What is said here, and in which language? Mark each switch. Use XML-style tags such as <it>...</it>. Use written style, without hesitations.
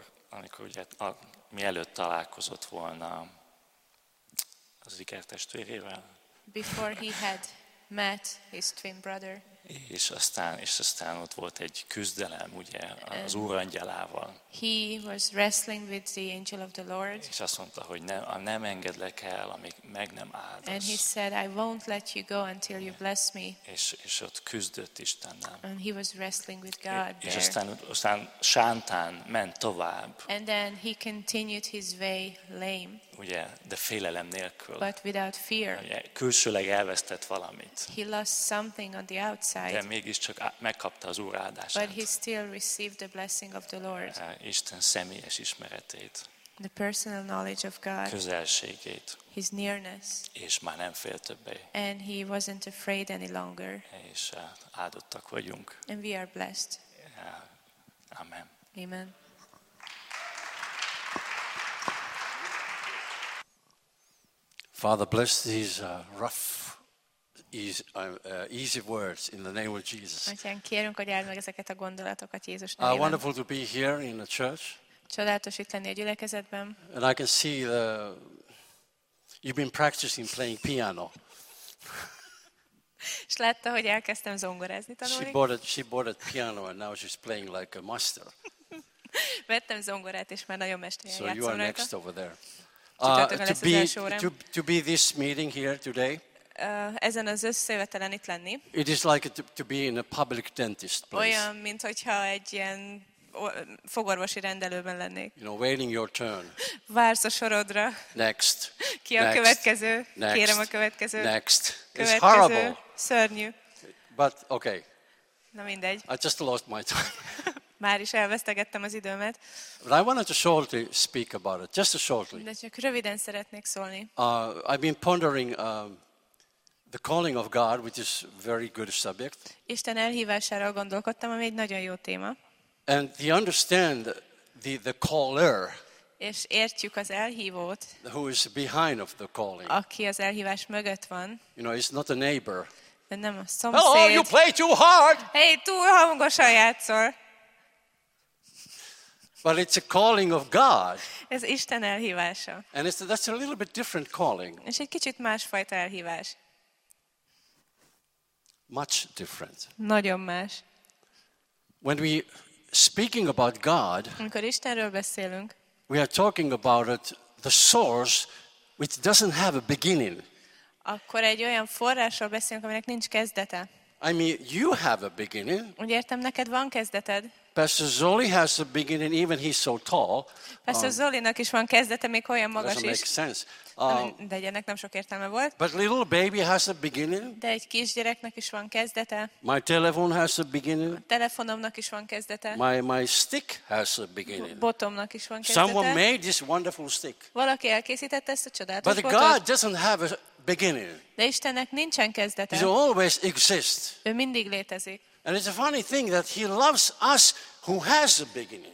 <hu>Amikor ugye mielőtt találkozott volna az ikertestvérével.</hu> <en>Before he had met his twin brother.</en> <hu>És aztán ott volt egy küzdelem, ugye, az Úr angyalával.</hu> <en>He was wrestling with the angel of the Lord.</en> <hu>És azt mondta, hogy nem engedlek el, amíg meg nem áldasz.</hu> <en>And he said, I won't let you go until you bless me.</en> <hu>És ott küzdött Istennel.</hu> <en>And he was wrestling with God there.</en> <hu>És aztán Sántán ment tovább.</hu> <en>And then he continued his way lame.</en> <hu>Ugye, de félelem nélkül.</hu> <en>But without fear.</en> <hu>Ugye, külsőleg elvesztett valamit.</hu> <en>He lost something on the outside.</en> <hu>De mégiscsak megkapta az Úr áldását.</hu> <en>But he still received the blessing of the Lord.</en> <hu>Isten személyes ismeretét.</hu> <en>The personal knowledge of God.</en> <hu>Közelségét.</hu> <en>His nearness.</en> <hu>És már nem fél többé.</hu> <en>And he wasn't afraid any longer.</en> <hu>És áldottak vagyunk.</hu> <en>And we are blessed.</en> <hu>Amen.</hu> <en>Amen. Father, bless these easy words in the name of Jesus.</en> <hu>Atyán, kérünk, hogy áld meg ezeket a gondolatokat Jézus nevében.</hu> <en>Wonderful to be here in a church.</en> <hu>Csodálatos itt lenni a gyülekezetben.</hu> <en>And I can see you've been practicing playing piano.</en> <hu>És látta, hogy elkezdtem zongorázni tanulni.</hu> <en>She bought a piano and now she's playing like a master.</en> <hu>Vettem zongorát és már nagyon mesterjén játszom.</hu> <en>So you are next over there. To be this meeting here today.</en> <hu>Ezen az összejövetelen itt lenni.</hu> <en>It is like to be in a public dentist place.</en> <hu>Olyan, mint hogyha egy ilyen fogorvosi rendelőben lennék.</hu> <en>You know, waiting your turn.</en> <hu>Vársz a sorodra.</hu> <en>Next.</en> <hu>Ki a</hu> <en>next,</en> <hu>következő?</hu> <en>Next,</en> <hu>kérem a következő.</hu> <en>Next.</en> <hu>Következő.</hu> <en>It's horrible.</en> <hu>Szörnyű.</hu> <en>But okay.</en> <hu>Na mindegy.</hu> <en>I just lost my time.</en> <hu>Már is elvesztegettem az időmet.</hu> <en>But I wanted to shortly speak about it, just shortly.</en> <hu>De csak röviden szeretnék szólni.</hu> <en>I've been pondering the calling of God, which is very good subject.</en> <hu>Isten elhívásáról gondolkodtam, ami egy nagyon jó téma.</hu> <en>And to understand the caller.</en> <hu>És értjük az elhívót.</hu> <en>Who is behind of the calling?</en> <hu>Aki az elhívás mögött van.</hu> <en>You know, it's not a neighbor.</en> <hu>De nem a szomszéd.</hu> <en>Hello, you play too hard.</en> <hu>Hey, túl hangosan játszol.</hu> <en>But it's a calling of God.</en> <hu>Ez Isten elhívása.</hu> <en>And that's a little bit different calling.</en> <hu>És egy kicsit másfajta elhívás.</hu> <en>Much different.</en> <hu>Nagyon más.</hu> <en>When we speaking about God,</en> <hu>amikor Istenről beszélünk,</hu> <en>we are talking about it, the source which doesn't have a beginning.</en> <hu>Akkor egy olyan forrásról beszélünk, aminek nincs kezdete.</hu> <en>I mean, you have a beginning.</en> <hu>Úgy értem, neked van kezdeted.</hu> <en>Pastor Zoli has a beginning, even he's so tall.</en> <hu>Pastor Zolinak is van kezdete, még olyan magas is.</hu> <en>Doesn't make sense.</en> <hu>De egy nem sok értelme volt.</hu> <en>But little baby has a beginning.</en> <hu>De egy kisgyereknek is van kezdete.</hu> <en>My telephone has a beginning.</en> <hu>A telefonomnak is van kezdete.</hu> <en>My stick has a beginning.</en> <hu>Botomnak is van kezdete.</hu> <en>Someone made this wonderful stick.</en> <hu>Valaki elkészítette ezt a csodálatos botot.</hu> <en>But God doesn't have a beginning.</en> <hu>De Istennek nincsen kezdete.</hu> <en>He always exists.</en> <hu>Ő mindig létezik.</hu> <en>And it's a funny thing that he loves us who has a beginning.</en>